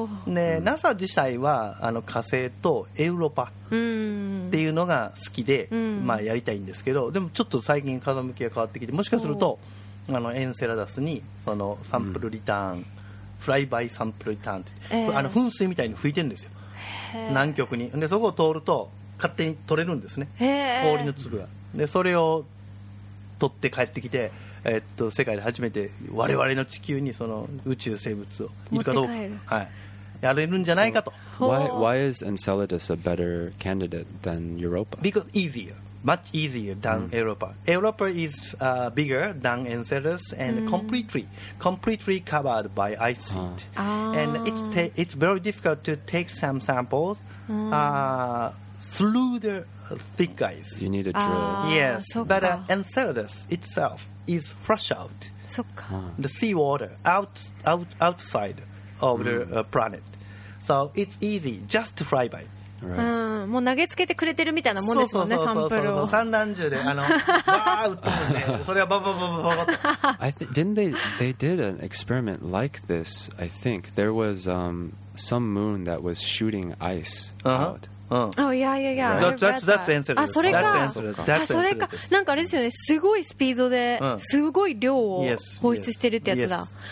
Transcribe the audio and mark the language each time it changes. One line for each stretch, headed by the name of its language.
Japanese: で、NASA 自体はあの火星とエウロパっていうのが好きで、まあ、やりたいんですけど、でもちょっと最近風向きが変わってきて、もしかするとあのエンセラダスにそのサンプルリターン、フライバイサンプルリターンって、あの噴水みたいに吹いてるんですよ、南極に。でそこを通ると勝手に取れるんですね、氷の粒が。でそれを取って帰ってきて、世界で初めて我々の地球にその宇宙生物をいるかどうか、はい、やれるんじゃないかと。
English: Why is Enceladus a better candidate than Europa? Because easier, much easier than Europa. Europa is bigger than Enceladus and completely covered by ice sheet. And it's very difficult to take some samples through the thick ice. You need a drill. Yes, but Enceladus itself is flush out.
Japanese: そっか。
English: The sea water outside of the planet. So it's easy just to fly by. Right.
Japanese: もう投げつけてくれてるみたいなもんですもんね、サンプルを。散弾銃で、あの、わーっとね、それはバババババババと。
English: I think, didn't they did an experiment like this, I think. There was some moon that was shooting ice out. Oh, yeah, yeah, yeah. That's Enceladus.
Japanese: あ、それか。
English: That's Enceladus.
Japanese: あ、それか。なんかあれですよね。すごいスピードで、すごい量を放出してるってやつだ。